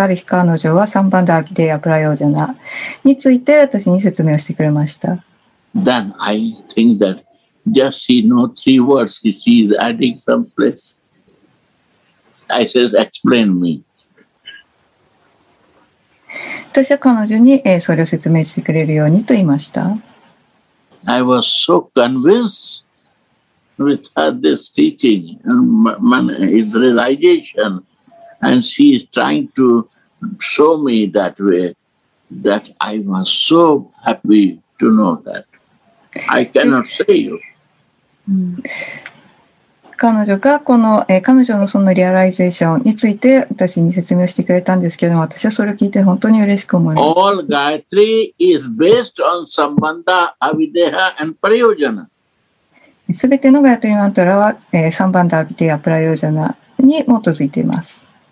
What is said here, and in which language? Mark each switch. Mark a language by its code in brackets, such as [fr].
[ja] ある日彼女はサンバンダ、アビデハ、プラヨジャナについて私に説明をしてくれました。 [en] Then I think that just she knows three words, she is adding some place. I says, explain me. [ja] 私は彼女に、それを説明してくれるようにと言いました。 [en] I was so convinced with her this teaching and his realization and she is trying to show me that way that I was so happy to know that. I cannot say you. [ja] 彼女がこの、彼女のそのリアライゼーションについて私に説明してくれたんですけども、私はそれを聞いて本当に嬉しく思います。 [en] All Gayatri is based on Sambandha, Avideha and Prayojana. [ja] すべてのガヤトリマントラは、サンバンダ、アビデハ、プラヨジャナに基づいています。